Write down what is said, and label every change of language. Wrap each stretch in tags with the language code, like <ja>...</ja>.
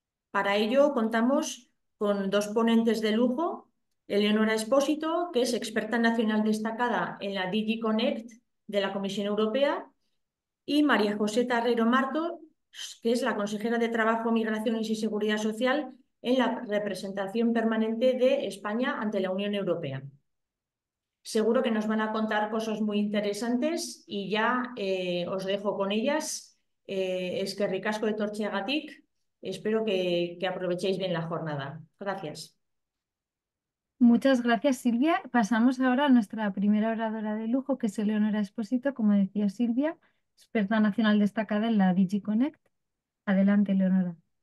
<es>Para ello contamos con dos ponentes de lujo: Eleonora Expósito, que es experta nacional destacada en la DG Connect de la Comisión Europea, y María José Tarrero Marto, que es la consejera de Trabajo, Migraciones y Seguridad Social en la representación permanente de España ante la Unión Europea. Seguro que nos van a contar cosas muy interesantes y ya os dejo con ellas.</es> <eu>Eskerrik asko etortzeagatik.</eu> <es>Espero que aprovechéis bien la jornada. Gracias. Muchas gracias, Silvia. Pasamos ahora a nuestra primera oradora de lujo, que es Eleonora Expósito, como decía Silvia, experta nacional destacada en la DG Connect. Adelante, Eleonora.</es>